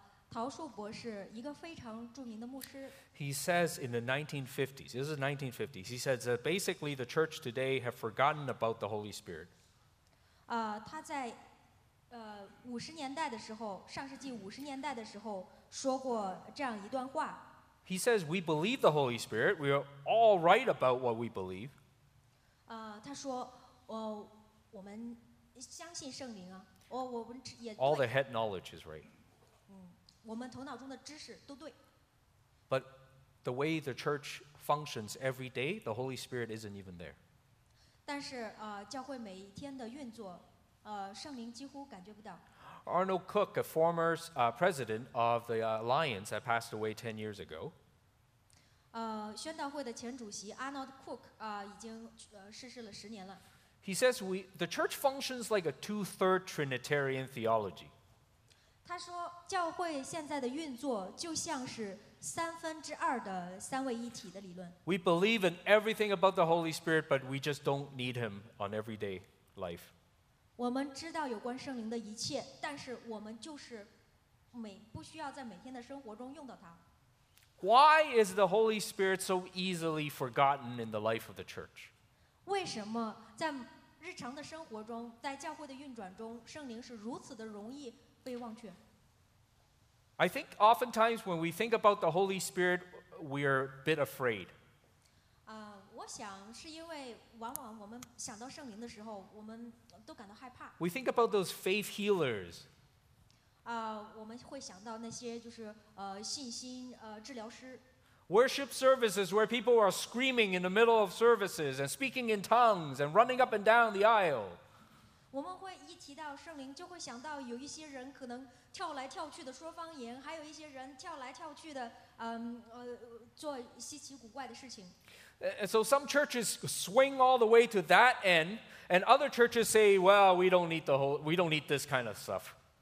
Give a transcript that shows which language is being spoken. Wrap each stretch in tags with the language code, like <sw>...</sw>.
<zh>陶树博士，一个非常著名的牧师。</zh> <en>He says in the 1950s. This is 1950s. He says that basically the church today have forgotten about the Holy Spirit.</en> <zh>他在五十年代的时候，上世纪五十年代的时候，说过这样一段话。</zh> <en>He says we believe the Holy Spirit. We are all right about what we believe.</en> <zh>他说，我们相信圣灵啊。</zh> <en>All the head knowledge is right.</en> <zh>我们头脑中的知识都对。</zh> <en>But the way the church functions every day, the Holy Spirit isn't even there.</en> <zh>但是教会每一天的运作圣灵几乎感觉不到。</zh> <en>Arnold Cook, a former president of the Alliance that passed away 10 years ago,</en> <zh>宣道会的前主席 Arnold Cook 已经逝世了十年了。</zh> <en>He says the church functions like a two-third Trinitarian theology.</en> <zh>他说教会现在的运作就像是三分之二的三位一体的理论。</zh> <en>We believe in everything about the Holy Spirit, but we just don't need him on everyday life.</en> <zh>我们知道有关圣灵的一切，但是我们就是不需要在每天的生活中用到它。</zh> <en>Why is the Holy Spirit so easily forgotten in the life of the church?</en> <zh>为什么在日常的生活中，在教会的运转中，圣灵是如此的容易被忘却？</zh> <en>I think oftentimes when we think about the Holy Spirit, we are a bit afraid.</en> <zh>我想是因为往往我们想到圣灵的时候，我们都感到害怕。</zh> <en>We think about those faith healers.</en> <zh>我们会想到那些就是信心治疗师。</zh> <en>Worship services where people are screaming in the middle of services and speaking in tongues and running up and down the aisle.</en> <zh>我们会一提到圣灵，就会想到有一些人可能跳来跳去的说方言，还有一些人跳来跳去的做稀奇古怪的事情。</zh> <en>And so some churches swing all the way to that end, and other churches say, well, we don't need this kind of stuff.</en>